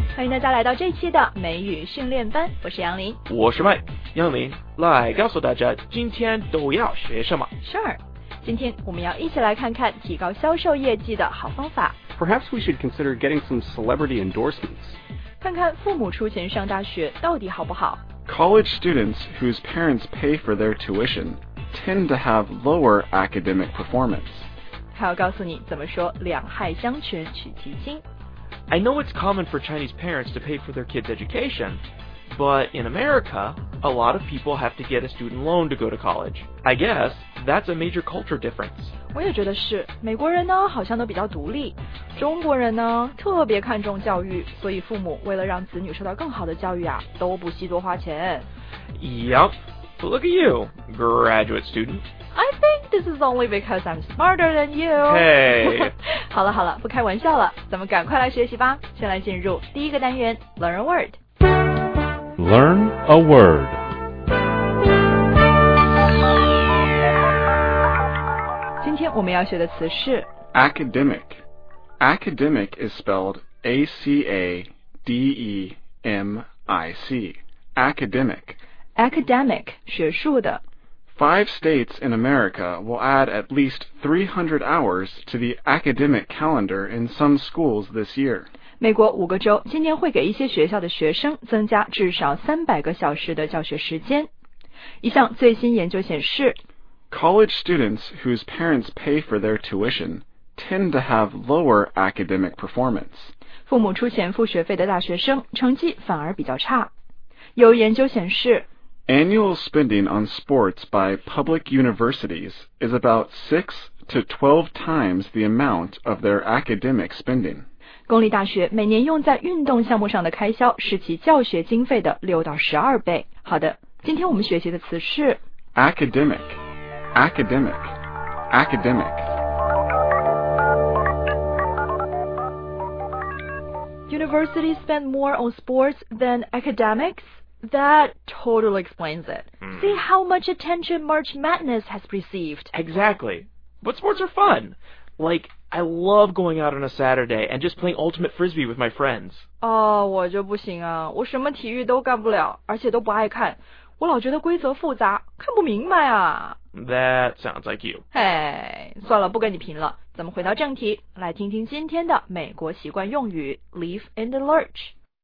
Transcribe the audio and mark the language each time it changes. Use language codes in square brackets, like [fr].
[zh] 大家来到这期的美语训练班，我是杨林，我是麦。杨林，来告诉大家今天都要学什么。 Sure， 今天我们要一起来看看提高销售业绩的好方法。 [en] Perhaps we should consider getting some celebrity endorsements， [zh] 看看父母出钱上大学到底好不好。 [en] College students whose parents pay for their tuition tend to have lower academic performance。 [zh] 还要告诉你怎么说两害相权取其轻。 [en] I know it's common for Chinese parents to pay for their kids' education, but in America, a lot of people have to get a student loan to go to college. I guess that's a major culture difference. [zh] 我也觉得是，美国人呢好像都比较独立，中国人呢特别看重教育，所以父母为了让子女受到更好的教育啊，都不惜多花钱。 [en] Yup, but look at you, graduate student. I think this is only because I'm smarter than you. Hey. [zh] 好了好了，不开玩笑了，咱们赶快来学习吧。先来进入第一个单元 ， [en] Learn a word。 Learn a word。 [zh] 今天我们要学的词是 [en] academic。 Academic is spelled A-C-A-D-E-M-I-C. Academic. [zh] Academic， 学术的。 [en] Five states in America will add at least 300 hours to the academic calendar in some schools this year. [zh] 美国五个州今年会给一些学校的学生增加至少300个小时的教学时间。一项最新研究显示， [en] College students whose parents pay for their tuition tend to have lower academic performance. [zh] 父母出钱付学费的大学生成绩反而比较差。有研究显示， [en] Annual spending on sports by public universities is about 6 to 12 times the amount of their academic spending. [zh] 公立大学每年用在运动项目上的开销是其教学经费的6到12倍。好的，今天我们学习的词是 [en] academic, academic, academic. Universities spend more on sports than academics? That totally explains it. See how much attention March Madness has received. Exactly. But sports are fun. Like, I love going out on a Saturday and just playing Ultimate Frisbee with my friends. [zh] Oh, 我就不行啊。我什么体育都干不了，而且都不爱看。我老觉得规则复杂，看不明白啊。 [en] That sounds like you. [zh] Hey, 算了，不跟你贫了。咱们回到正题，来听听今天的美国习惯用语 [en] Leaf in the Lurch。